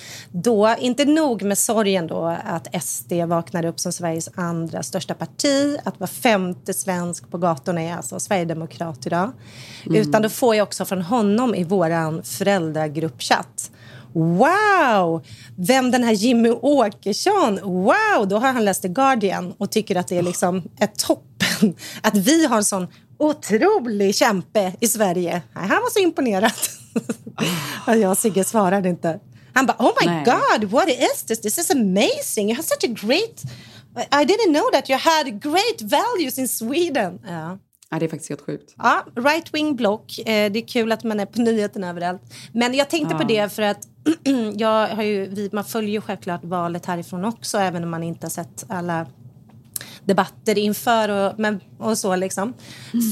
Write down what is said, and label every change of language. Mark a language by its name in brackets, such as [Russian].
[Swedish] Då, inte nog med sorgen då att SD vaknade upp som Sveriges andra största parti, att var femte svensk på gatorna är alltså sverigedemokrat idag, utan då får jag också från honom i våran föräldragruppchatt: wow, vem den här Jimmy Åkesson? Wow, då har han läst The Guardian och tycker att det är liksom ett toppen att vi har en sån otrolig kämpe i Sverige. Han var så imponerad. Jag och Sigge svarade inte. Han bara, [English] oh my god, what is this? This is amazing. You have such a great... I didn't know that you had great values in Sweden. [Swedish] Ja. Ja, det är faktiskt helt sjukt. [English] Ja, right wing block. [Swedish] Det är kul att man är på nyheten överallt. Men jag tänkte på det för att jag har ju, man följer ju självklart valet härifrån också, även om man inte har sett alla debatter inför och så liksom. Mm.